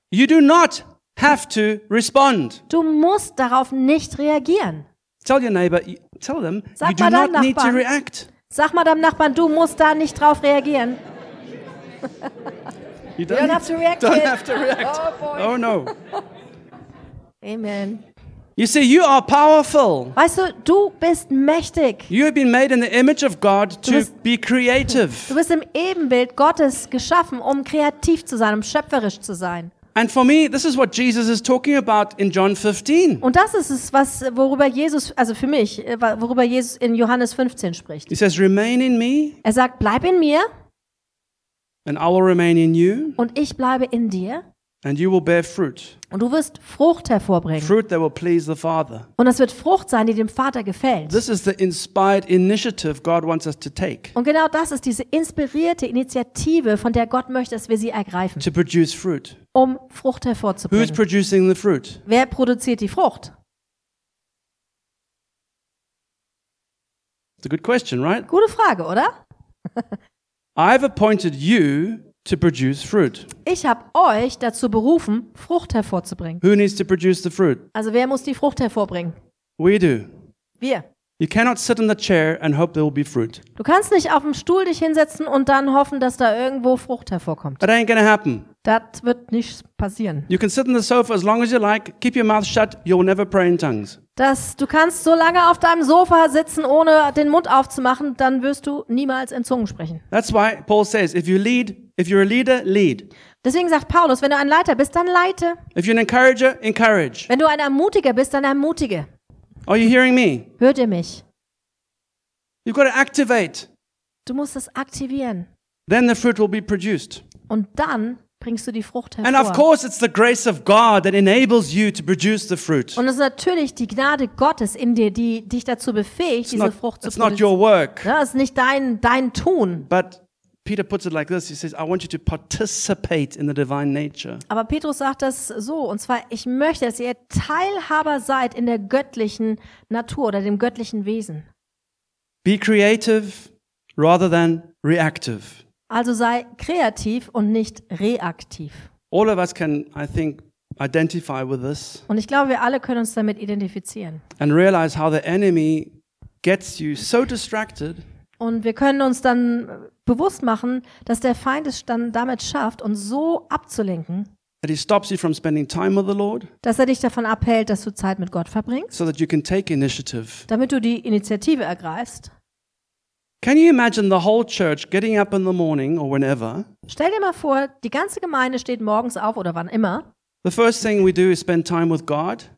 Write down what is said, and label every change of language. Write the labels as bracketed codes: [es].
[en] You do not have to respond. [de] Du musst darauf nicht reagieren. [en] Tell your neighbor, tell them, [de] sag [en] you do not need to react. [de] Sag mal deinem Nachbarn, du musst da nicht drauf reagieren. [en] You don't have to react. Don't have to react. Oh, boy. Oh no. Amen. You see, you are powerful. [de] Weißt du, du bist mächtig. [en] You have been made in the image of God to be creative. [de] Du bist im Ebenbild Gottes geschaffen, um kreativ zu sein, um schöpferisch zu sein. [en] And for me, this is what Jesus is talking about in John 15. [de] Und das ist es, was worüber Jesus, also für mich, worüber Jesus in Johannes 15 spricht. [en] He says, "Remain in me." [de] Er sagt, bleib in mir. [en] And I will remain in you. [de] Und ich bleibe in dir. [en] And you will bear fruit. [de] Und du wirst Frucht hervorbringen. [en] Fruit that will please the Father. [de] Und das wird Frucht sein, die dem Vater gefällt. [en] This is the inspired initiative God wants us to take. [de] Und genau das ist diese inspirierte Initiative, von der Gott möchte, dass wir sie ergreifen. [en] To produce fruit. [de] Um Frucht hervorzubringen. [en] Who's producing the fruit? [de] Wer produziert die Frucht? [en] It's a good question, right? [de] Gute Frage, oder? [en] I've appointed you to produce fruit. [de] Ich habe euch dazu berufen, Frucht hervorzubringen. [en] Who needs to produce the fruit? [de] Also wer muss die Frucht hervorbringen? [en] We do. [de] Wir. [en] You cannot sit in the chair and hope there will be fruit. [de] Du kannst nicht auf dem Stuhl dich hinsetzen und dann hoffen, dass da irgendwo Frucht hervorkommt. [en] That ain't gonna happen. [de] Das wird nicht passieren. [en] You can sit on the sofa as long as you like, keep your mouth shut, you'll never pray in tongues. [de] Du kannst so lange auf deinem Sofa sitzen, ohne den Mund aufzumachen, dann wirst du niemals in Zungen sprechen. [en] That's why Paul says, if you lead, If you're a leader, lead. [de] Deswegen sagt Paulus, wenn du ein Leiter bist, dann leite. [en] If you're an encourager, encourage. [de] Wenn du ein Ermutiger bist, dann ermutige. [en] Are you hearing me? [de] Hört ihr mich? [en] You've got to activate. [de] Du musst es aktivieren. [en] Then the fruit will be produced. [de] Und dann bringst du die Frucht hervor. [en] And of course it's the grace of God that enables you to produce the fruit. [de] Und es ist natürlich die Gnade Gottes in dir, die dich dazu befähigt, diese Frucht zu produzieren. [en] It's not your work. [de] Ja, es ist nicht dein Tun. [en] But Peter puts it like this. He says, I want you to participate in the divine nature. [de] Aber Petrus sagt das so, und zwar, ich möchte, dass ihr Teilhaber seid in der göttlichen Natur oder dem göttlichen Wesen. [en] Be creative rather than reactive. [de] Also sei kreativ und nicht reaktiv. [en] All of us can, I think, identify with this. [de] Und ich glaube, wir alle können uns damit identifizieren. [en] And realize how the enemy gets you so distracted. [de] Und wir können uns dann bewusst machen, dass der Feind es dann damit schafft, uns so abzulenken, [en] that he stops you from spending time with the Lord, [de] dass er dich davon abhält, dass du Zeit mit Gott verbringst, [en] so that you can take initiative. [de] Damit du die Initiative ergreifst. [en] Can you imagine the whole church getting up in the morning or whenever? [de] Stell dir mal vor, die ganze Gemeinde steht morgens auf oder wann immer. [en] The first thing we do is spend time with God.